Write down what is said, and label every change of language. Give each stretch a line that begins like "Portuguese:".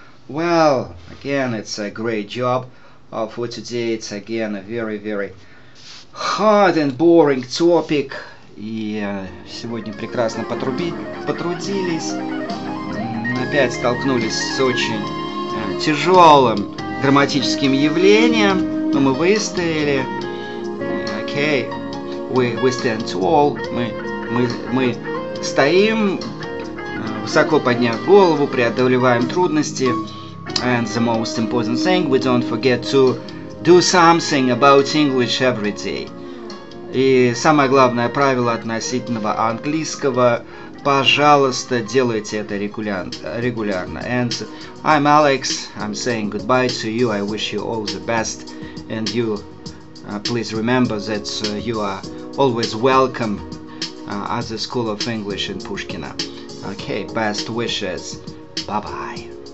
English: Well, again, it's a great job for today. It's again a very, very hard and boring topic.
Russian: И сегодня прекрасно потрудились. Опять столкнулись с очень тяжелым грамматическим явлением. Но мы выстояли.
English: Okay, we stand tall.
Russian: Мы стоим, высоко подняв голову, преодолеваем трудности.
English: And the most important thing, we don't forget to do something about English every day.
Russian: И самое главное правило относительно английского, пожалуйста, делайте это регулярно.
English: And I'm Alex, I'm saying goodbye to you, I wish you all the best. And you, please remember that you are always welcome at the School of English in Pushkino. Okay, best wishes, bye-bye.